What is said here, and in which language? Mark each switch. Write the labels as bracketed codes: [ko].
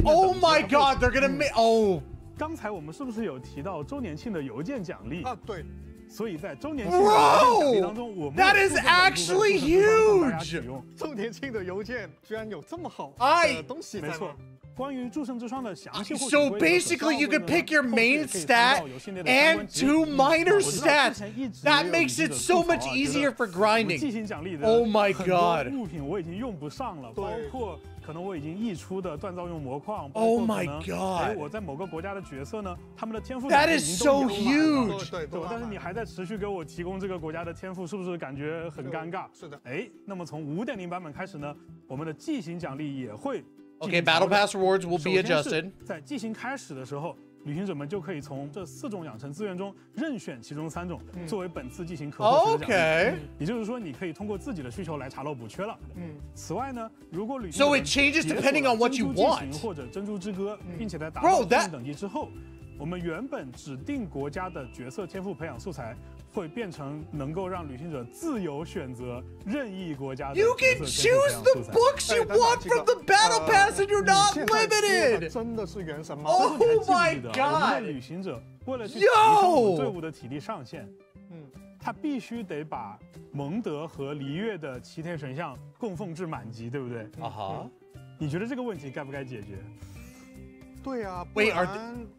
[en] Oh my god! They're gonna make oh. [zh] 刚才我们是不是有提到周年庆的邮件奖励？啊，对。所以在周年庆的邮件奖励当中，我们 [en] That is actually huge. [zh] 周年庆的邮件居然有这么好的东西，没错。关于祝圣之霜的详细， [en] so basically you could pick your main stat and two minor stats. That makes it so much easier for grinding. Oh my god! [zh] 物品我已经用不上了，包括可能我已经溢出的锻造用模块。 [en] Oh my god! [zh] 我在某个国家的角色呢，他们的天赋 [en] That is so huge. [zh] 对，但是你还在持续给我提供这个国家的天赋，是不是感觉很尴尬？是的。哎，那么从 5.0 版本开始呢，我们的祭型奖励也会。 [en] Okay, battle pass rewards will be adjusted. [zh] 在进行开始的时候，旅行者们就可以从这四种养成资源中任选其中三种，作为本次进行可获取的奖励。 [en] Okay. [zh] 也就是说，你可以通过自己的需求来查漏补缺了。此外呢，如果旅行者们 [en] so it changes depending on what you want. [zh] 或者珍珠之歌，并且在达到一定等级之后，我们原本指定国家的角色天赋培养素材。会变成能够让旅行者自由选择任意国家的。 [en] You can choose the books you want from the battle pass, and you're not limited. [zh] 真的是原神吗 [en] ？Oh my god！ [zh] 我们的旅行者为了去提升我们队伍的体力上限，他必须得把蒙德和璃月的齐天神像供奉至满级，对不对？啊哈！你觉得这个问题该不该解决？对啊，不然。